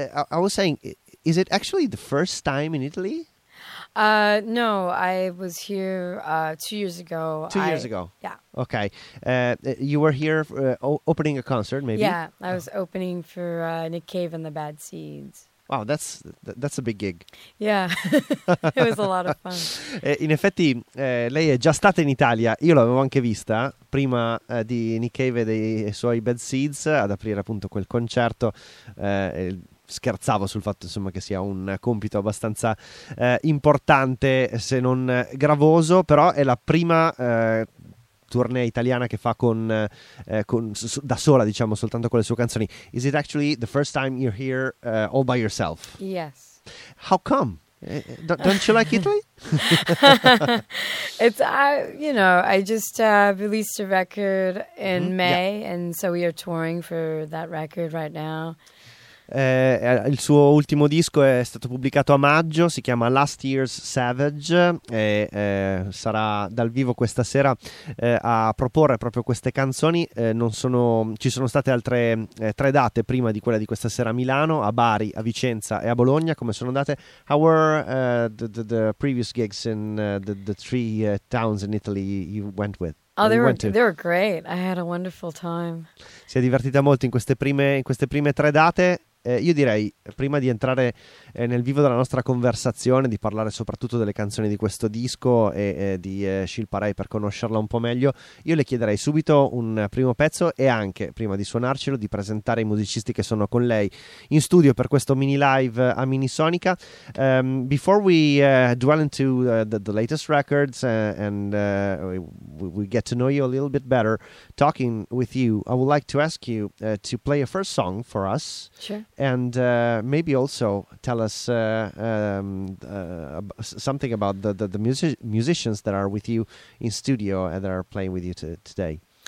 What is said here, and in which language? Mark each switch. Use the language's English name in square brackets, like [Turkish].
[English] I was saying, is it actually the first time in Italy? No, I was here 2 years ago. Yeah. Okay. You were here for, opening a concert, maybe? Yeah, I was opening for Nick Cave and the Bad Seeds. Wow, that's a big gig. Yeah, it was a lot of fun. [Italian] In effetti, lei è già stata in Italia. Io l'avevo anche vista prima di Nick Cave e dei suoi Bad Seeds ad aprire appunto quel concerto. Scherzavo sul fatto, insomma, che sia un compito abbastanza importante, se non gravoso, però è la prima tournée italiana che fa da sola, diciamo, soltanto con le sue canzoni. [English] Is it actually the first time you're here all by yourself? Yes. How come? Don't you like Italy? It's I just released a record in May, yeah. And so we are touring for that record right now. [Italian] Il suo ultimo disco è stato pubblicato a maggio, si chiama Last Year's Savage, e sarà dal vivo questa sera a proporre proprio queste canzoni. Ci sono state altre tre date prima di quella di questa sera a Milano, a Bari, a Vicenza e a Bologna. Come sono andate? [English] How were the previous gigs in the three towns in Italy you went with? Oh, they were great. I had a wonderful time. [Italian] Si è divertita molto in queste prime tre date. Io direi, prima di entrare nel vivo della nostra conversazione, di parlare soprattutto delle canzoni di questo disco e di Shilpa Rai, per conoscerla un po' meglio, io le chiederei subito un primo pezzo e anche, prima di suonarcelo, di presentare i musicisti che sono con lei in studio per questo mini live a Minisonica. [English] Before we dwell into the latest records and we get to know you a little bit better talking with you, I would like to ask you to play a first song for us. Sure. And maybe also tell us something about the musicians that are with you in studio and that are playing with you today.